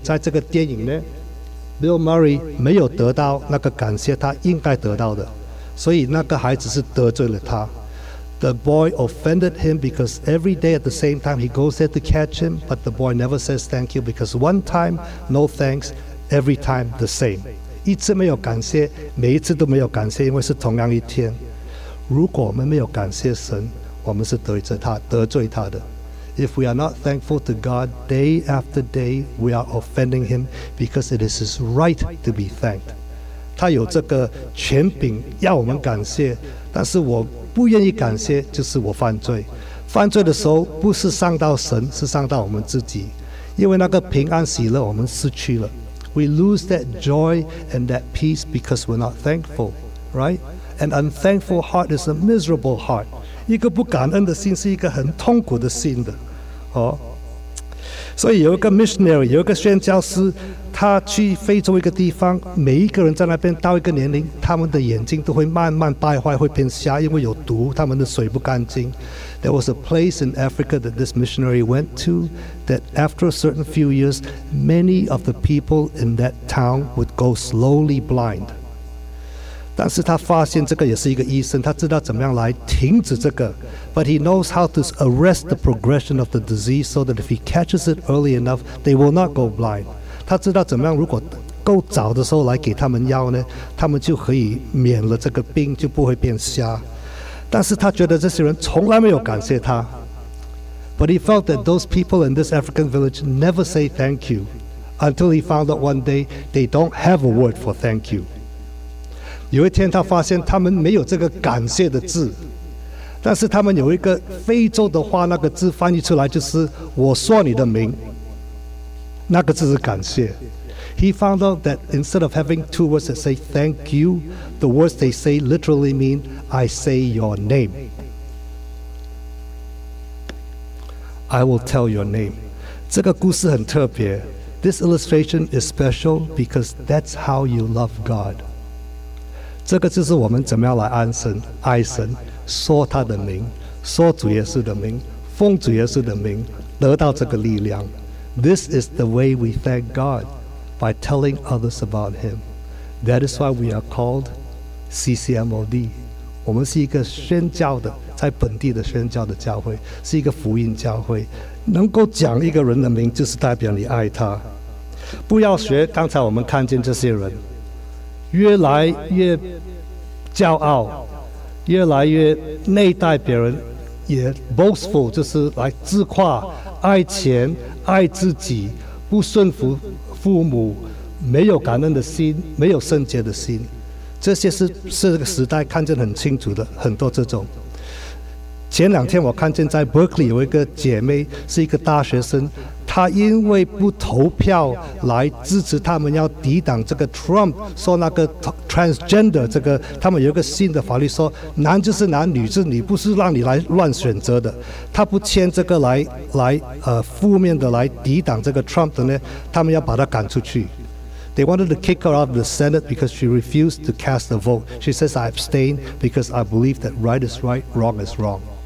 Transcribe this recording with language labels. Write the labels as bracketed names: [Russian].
[Chinese] 在这个电影呢， Bill Murray 没有得到那个感谢他应该得到的，所以那个孩子是得罪了他。 [English] The boy offended him because every day at the same time he goes there to catch him, but the boy never says thank you because one time, no thanks, every time the same. [Chinese] 一次没有感谢，每一次都没有感谢，因为是同样一天。如果我们没有感谢神，我们是得罪他的。 [English] If we are not thankful to God day after day, we are offending Him because it is His right to be thanked. [Chinese] 他有这个权柄要我们感谢，但是我不愿意感谢，就是我犯罪。犯罪的时候不是伤到神，是伤到我们自己，因为那个平安喜乐我们失去了。 [English] We lose that joy and that peace because we're not thankful, right? An unthankful heart is a miserable heart. [Chinese] 一个不感恩的心是一个很痛苦的心的、哦、所以有一个 missionary， 有一个宣教师，他去非洲一个地方，每一个人在那边到一个年龄，他们的眼睛都会慢慢败坏，会变瞎，因为有毒，他们的水不干净。 [English] There was a place in Africa that this missionary went to that after a certain few years many of the people in that town would go slowly blind. [Chinese] 但是他发现这个也是一个医生，他知道怎么样来停止这个。 [English] But he knows how to arrest the progression of the disease so that if he catches it early enough, they will not go blind. [Chinese] 他知道怎么样，如果够早的时候来给他们药呢，他们就可以免了这个病，就不会变瞎。但是他觉得这些人从来没有感谢他。 [English] But he felt that those people in this African village never say thank you until he found out one day they don't have a word for thank you. [Chinese] 有一天他发现他们没有这个感谢的字，但是他们有一个非洲的话，那个字翻译出来就是我说你的名，那个字是感谢。 [English] He found out that instead of having two words that say thank you, the words they say literally mean I say your name. I will tell your name. [Chinese] 这个故事很特别。 [English] This illustration is special because that's how you love God. [Chinese] 这个就是我们怎么样来安神、爱神，说他的名，说主耶稣的名，奉主耶稣的名，得到这个力量。 [English] This is the way we thank God, by telling others about Him. That is why we are called [Chinese] CCMOD， 我们是一个宣教的，在本地的宣教的教会，是一个福音教会，能够讲一个人的名，就是代表你爱他。不要学刚才我们看见这些人，越来越骄傲，越来越内待别人，也 boastful， 就是来自夸，爱钱，爱自己，不顺服父母，没有感恩的心，没有圣洁的心，这些是这个时代看见很清楚的，很多这种。前两天我看见在 Berkeley 有一个姐妹，是一个大学生，她因为不投票来支持他们要抵挡这个 Trump， 说那个 transgender 这个，他们有一个新的法律说男就是男，女就是女，不是让你来乱选择的。她不签这个来负面的来抵挡这个 Trump 的呢，他们要把她赶出去。 [English] They wanted to kick her out of the Senate because she refused to cast a vote. She says, I abstain because I believe that right is right, wrong is wrong.